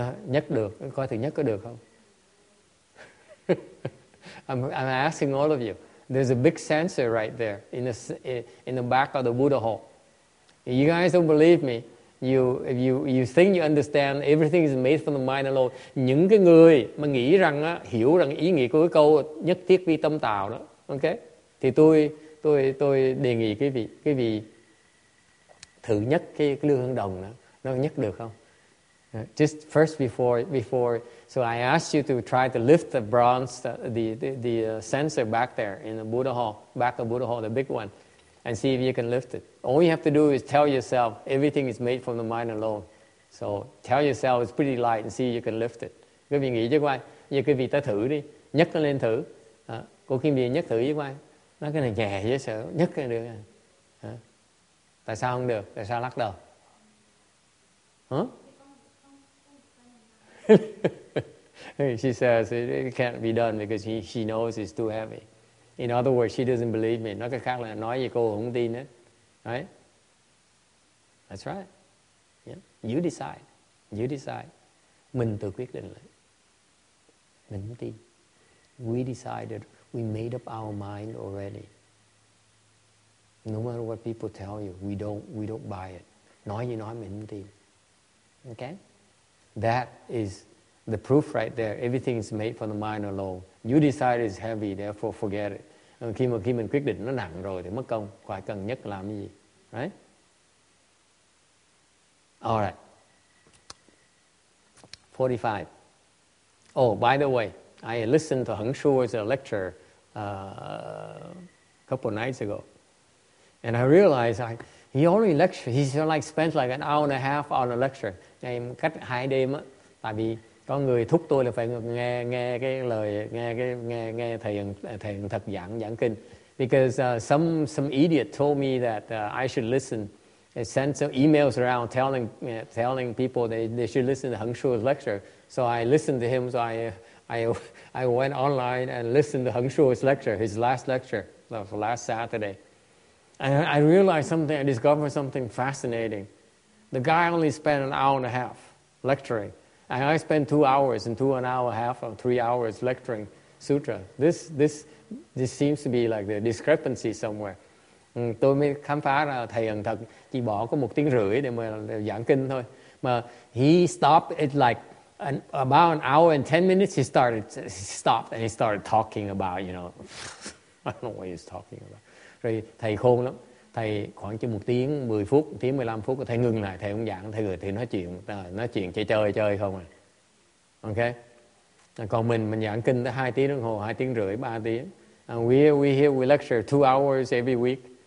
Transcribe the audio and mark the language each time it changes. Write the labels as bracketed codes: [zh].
[vi] Nhấc được, coi thử nhấc có được không? [en] I'm asking all of you. There's a big censer right there in the back of the Buddha hall. If you guys don't believe me, you think you understand everything is made from the mind alone. [vi] Những cái người mà nghĩ rằng á, hiểu rằng ý nghĩa của cái câu nhất thiết vi tâm tạo đó, okay? Thì tôi đề nghị quý vị thử nhất cái lưu hương đồng đó, nó nhất được không? [en] Just first before, so I asked you to try to lift the bronze the censer back there in the Buddha hall, back of Buddha hall, the big one. And see if you can lift it. All you have to do is tell yourself everything is made from the mind alone. So tell yourself it's pretty light and see if you can lift it. [vi] Quý vị nghĩ chứ quay. Giờ quý vị ta thử đi. Nhấc nó lên thử. Cô Kim Điền nhấc thử chứ quay. Nói cái này nhẹ dễ sợ. Nhấc cái này được. Tại sao không được? Tại sao lắc đầu? [en] She says it can't be done because she knows it's too heavy. In other words, she doesn't believe me. [vi] Nói cái khác là nói gì cô không tin hết. [en] Right? That's right. Yeah. You decide. [vi] Mình tự quyết định lại. Mình không tin. [en] We decided, we made up our mind already. No matter what people tell you, we don't buy it. [vi] Nói gì nói mình không tin. [en] Okay? That is the proof right there. Everything is made for the mind alone. You decide it's heavy, therefore forget it. [vi] Khi mà mình quyết định nó nặng rồi thì mất công, khỏi cần nhất làm cái gì, right? [en] All right. 45. Oh, by the way, I listened to Heng Shu's lecture a couple nights ago, and I realized he only lectured. He's like spent like an hour and a half on a lecture. [vi] Ngày cách hai đêm á, tại vì có người thúc tôi là phải nghe thầy thật giảng kinh. [en] Because some idiot told me that I should listen. I sent some emails around telling people they should listen to Heng Shu's lecture. So I listened to him. So I went online and listened to Heng Shu's lecture, his last lecture, that was last Saturday. And I realized something, I discovered something fascinating. The guy only spent an hour and a half lecturing. And I spent 2 hours and two and an hour and a half or 3 hours lecturing sutra. This seems to be like the discrepancy somewhere. [vi] Tôi mới khám phá ra thầy Hằng thật chỉ bỏ có một tiếng rưỡi để mà giảng kinh thôi. [en] Mà he stopped it like about an hour and 10 minutes. He stopped and he started talking about, you know, I don't know what he's talking about. [vi] Rồi thầy khôn lắm. Thầy khoảng chừng một tiếng, 10 phút, tiếng 15 phút, thầy ngừng lại, thầy không giảng, thầy gửi, thầy nói chuyện chơi không à. Ok? Còn mình giảng kinh tới 2 tiếng đồng hồ, 2 tiếng rưỡi, 3 tiếng. [en] And we here, we lecture 2 hours every week.